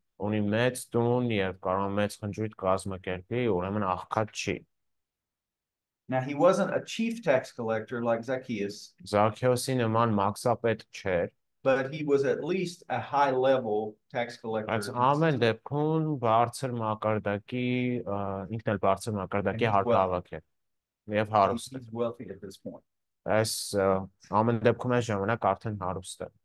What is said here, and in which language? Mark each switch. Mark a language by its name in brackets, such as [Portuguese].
[Armenian] Ունի մեծ տուն եւ կարող մեծ խնջույք կազմակերպի, ուրեմն աղքատ չի։ [English] Now he wasn't a chief tax collector like Zacchaeus. [Armenian] Զաքեոսի նման մաքսապետ չէր։ [English] But he was at least a high level tax collector. [Armenian] Բայց ամեն դեպքում բարձր մակարդակի, ինքն էլ բարձր մակարդակի հարկավոր էր։ Եվ հարուստ էր։ [English] He's wealthy at this point. [Armenian] Այս ամեն դեպքում այս ժամանակ արդեն հարուստ էր։